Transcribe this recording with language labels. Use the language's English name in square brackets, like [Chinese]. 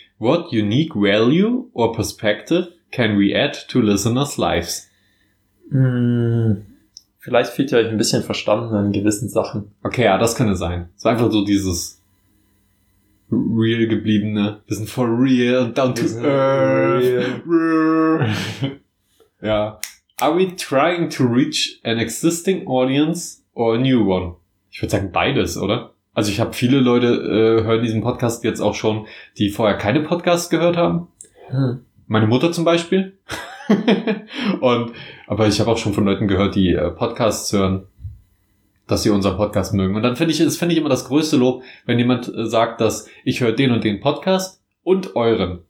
[English] What unique value or perspective can we add to listeners' lives? [German] Vielleicht fehlt ihr euch ein bisschen verstanden an gewissen Sachen. Okay, ja, das könnte sein. Es ist einfach so dieses real gebliebene. Wir sind [English] for real und down to earth. [German] Ja. [English] Are we trying to reach an existing audience or a new one? [German] Ich würde sagen beides, oder? Also ich habe viele Leute, hören diesen Podcast jetzt auch schon, die vorher keine Podcasts gehört haben. Meine Mutter zum Beispiel. Aber ich habe auch schon von Leuten gehört, die Podcasts hören, dass sie unseren Podcast mögen. Und dann finde ich immer das größte Lob, wenn jemand sagt, dass ich höre den und den Podcast und euren.